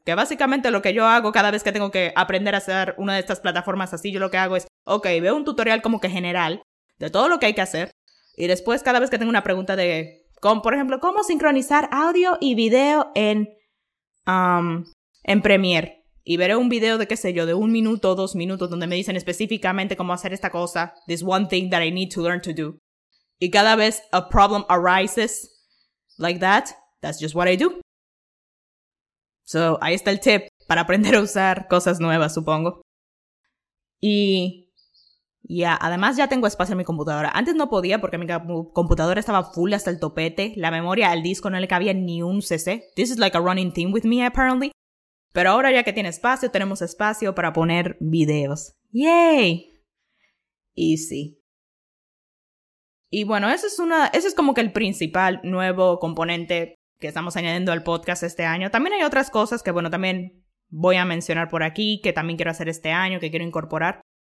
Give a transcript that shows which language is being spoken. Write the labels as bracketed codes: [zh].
[es] Que básicamente lo que yo hago cada vez que tengo que aprender a hacer una de estas plataformas así, yo lo que hago es, ok, veo un tutorial como que general de todo lo que hay que hacer. Y después, cada vez que tengo una pregunta de, como, por ejemplo, ¿cómo sincronizar audio y video en Premiere? Y veré un video de, qué sé yo, de un minuto o dos minutos donde me dicen específicamente cómo hacer esta cosa. [en] This one thing that I need to learn to do. [es] Y cada vez [en] a problem arises like that, that's just what I do. [es] So, ahí está el tip para aprender a usar cosas nuevas, supongo. Y yeah, además ya tengo espacio en mi computadora. Antes no podía porque mi computadora estaba full hasta el topete. La memoria al disco no le cabía ni un cc. [en] This is like a running theme with me, apparently. [es] Pero ahora ya que tiene espacio, tenemos espacio para poner videos. ¡Yay! Easy. Y bueno, ese es como que el principal nuevo componente que estamos añadiendo al podcast este año. También hay otras cosas que, bueno, también voy a mencionar por aquí, que también quiero hacer este año, que quiero incorporar.